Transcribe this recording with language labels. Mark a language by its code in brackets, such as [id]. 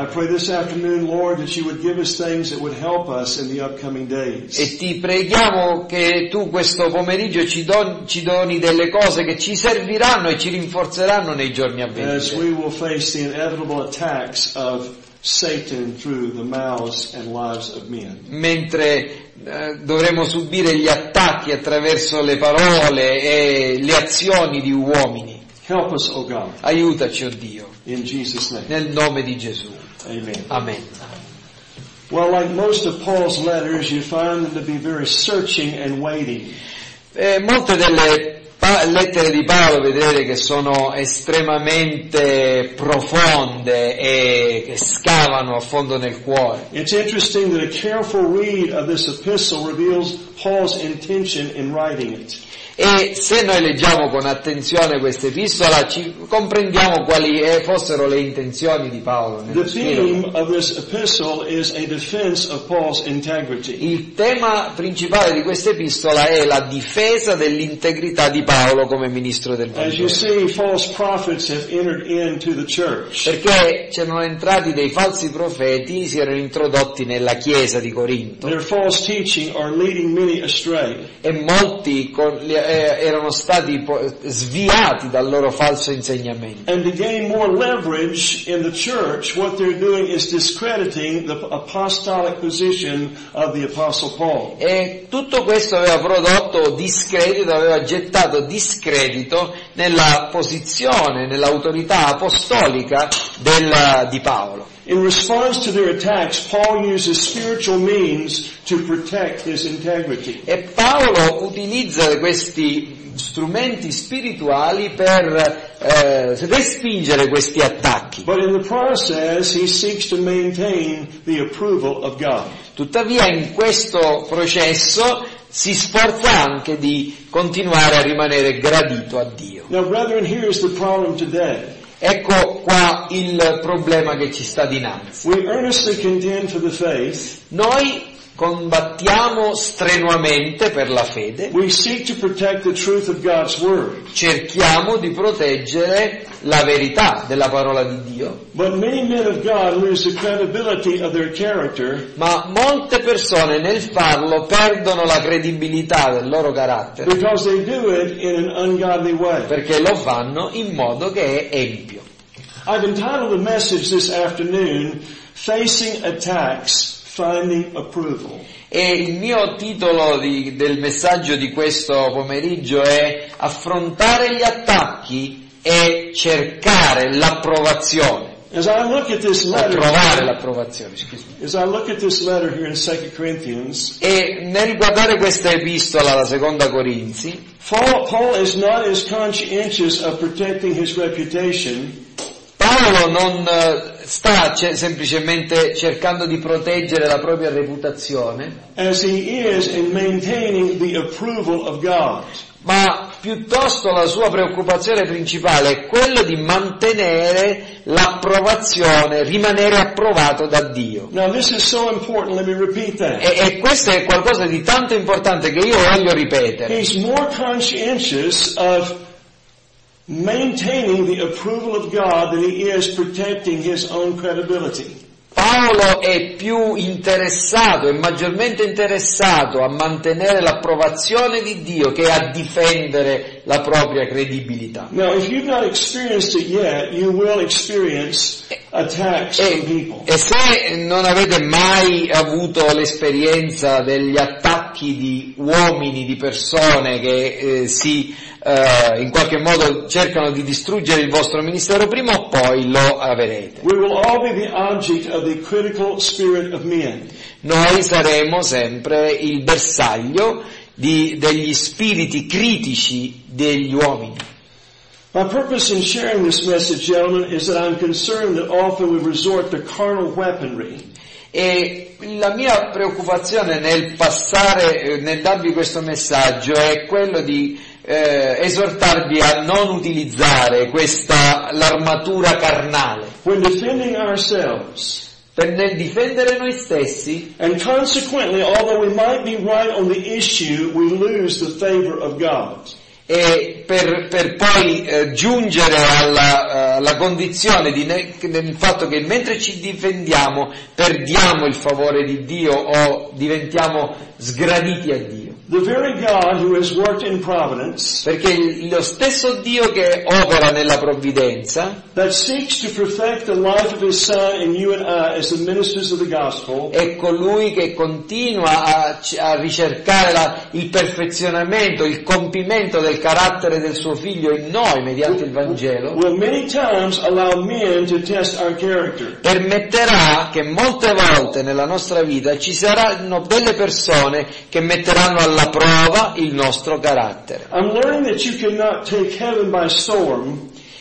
[en] I pray this afternoon, Lord, that you would give us things that would help us in the upcoming days. [it] E ti preghiamo che tu questo pomeriggio ci doni delle cose che ci serviranno e ci rinforzeranno nei giorni a venire. [en] As we will face the inevitable attacks of Satan through the mouths and lives of men. [it] Mentre dovremo subire gli attacchi attraverso le parole e le azioni di uomini. [en] Help us, O God. [it] Aiutaci, oh Dio. [en] In Jesus' name. [it] Nel nome di Gesù. [en] Amen. [it] Amen. [en] Well, like most of Paul's letters, you find them to be very searching and weighty. [it] Molte delle lettere di Paolo vedete che sono estremamente profonde e che scavano a fondo nel cuore. [en] It's interesting that a careful read of this epistle reveals Paul's intention in writing it. [it] E se noi leggiamo con attenzione questa epistola ci comprendiamo quali fossero le intenzioni di Paolo. [en] The theme of this epistle is a defense of Paul's integrity. [it] Il tema principale di questa epistola è la difesa dell'integrità di Paolo come ministro del Vangelo. [en] As you see, false prophets have entered into the church. [it] Perché c'erano entrati dei falsi profeti, si erano introdotti nella chiesa di Corinto. [en] Their false teaching are leading many astray. [it] E molti con erano stati sviati dal loro falso insegnamento. [en] And to gain more leverage in the church, what they're doing is discrediting the apostolic position of the apostle Paul. [it] E tutto questo aveva prodotto discredito, aveva gettato discredito nella posizione, nell'autorità apostolica di Paolo. [en] In response to their attacks, Paul uses spiritual means to protect his integrity. [it] E Paolo utilizza questi strumenti spirituali per respingere questi attacchi. [en] But in the process, he seeks to maintain the approval of God. [it] Tuttavia, in questo processo si sforza anche di continuare a rimanere gradito a Dio. [en] Now, brethren, here is the problem today. [it] Ecco qua il problema che ci sta dinanzi. [en] We earnestly contend for the faith. [it] Noi combattiamo strenuamente per la fede. [en] We seek to protect the truth of God's word. [it] Cerchiamo di proteggere la verità della parola di Dio. [en] But many men of God lose the credibility of their character. [it] Ma molte persone nel farlo perdono la credibilità del loro carattere. [en] Because they do it in an ungodly way. [it] Perché lo fanno in modo che è empio. [en] I've entitled the message this afternoon, Facing attacks, finding approval. [it] E il mio titolo del messaggio di questo pomeriggio è affrontare gli attacchi e cercare l'approvazione. [en] As I look at this letter, [it] trovare l'approvazione, scusami. [en] As I look at this letter here in 2 Corinthians, [it] e nel guardare questa epistola alla Seconda Corinzi, [en] Paul is not as conscientious of protecting his reputation. [it] Paolo non sta semplicemente cercando di proteggere la propria reputazione, [en] as he is in maintaining the approval of God. [it] Ma piuttosto la sua preoccupazione principale è quella di mantenere l'approvazione, rimanere approvato da Dio. [en] Now, this is so important, let me repeat that. [it] E questo è qualcosa di tanto importante che io voglio ripetere. [en] He's more conscientious of maintaining the approval of God than he is protecting his own credibility. [it] Paolo è più interessato, è maggiormente interessato a mantenere l'approvazione di Dio che a difendere la propria credibilità. [en] Now, if you've not experienced it yet, you will experience attacks from people. [it] E se non avete mai avuto l'esperienza degli attacchi di uomini, di persone che in qualche modo cercano di distruggere il vostro ministero, prima o poi lo avrete. [en] We will all be the object of the critical spirit of men. [it] Noi saremo sempre il bersaglio degli spiriti critici degli uomini. [en] My purpose in sharing this message, gentlemen, is that I'm concerned that often we resort to carnal weaponry. [it] E la mia preoccupazione nel darvi questo messaggio è quello di esortarvi a non utilizzare l'armatura carnale. [en] When defending ourselves, [it] per nel difendere noi stessi, [en] and consequently, although we might be right on the issue, we lose the favor of God. [it] E per poi giungere alla condizione di nel fatto che mentre ci difendiamo perdiamo il favore di Dio o diventiamo sgraditi a Dio. [en] The very God who has worked in providence, [it] perché lo stesso Dio che opera nella provvidenza, [en] that seeks to perfect the life of his son in you and I as the ministers of the gospel, [it] è colui che continua a ricercare il perfezionamento, il compimento del carattere del suo figlio in noi mediante il Vangelo, [en] will many times allow men to test our character. [it] Permetterà che molte volte nella nostra vita ci saranno delle persone che metteranno alla prova il nostro carattere. [en] I'm learning that you cannot take heaven by storm.